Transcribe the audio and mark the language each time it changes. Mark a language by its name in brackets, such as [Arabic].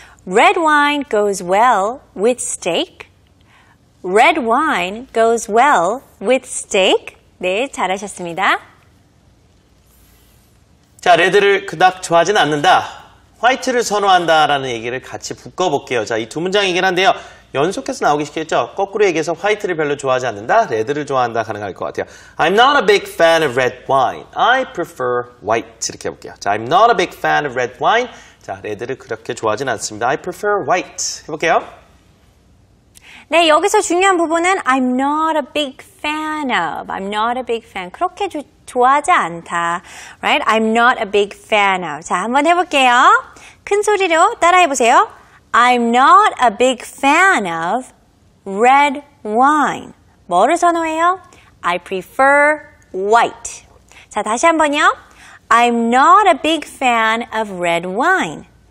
[English] Red wine goes well with steak. Red wine goes well with steak. [Korean] 네, 잘하셨습니다. 자, 레드를 그닥 좋아하진 않는다. 화이트를 선호한다라는 얘기를 같이 묶어볼게요. 자, 이 두 문장이긴 한데요. 연속해서 나오기 쉽겠죠? 거꾸로 얘기해서 화이트를 별로 좋아하지 않는다. 레드를 좋아한다 가능할 것 같아요. [English] I'm not a big fan of red wine. I prefer white. [Korean] 이렇게 해볼게요. [English] 자, I'm not a big fan of red wine. [Korean] 자, 레드를 그렇게 좋아하진 않습니다. [English] I prefer white. [Korean] 해볼게요. 네, 여기서 중요한 부분은 [English] I'm not a big fan of. I'm not a big fan. [Korean] 그렇게 좋아하지 않다. [English] Right? I'm not a big fan of. [Korean] 자, 한번 해볼게요. 큰 소리로 따라해보세요. [English] I'm not a big fan of red wine. [Korean] 뭐를 선호해요? [English] I prefer white. [Korean] 자, 다시 한번요. [English] I'm not a big fan of red wine.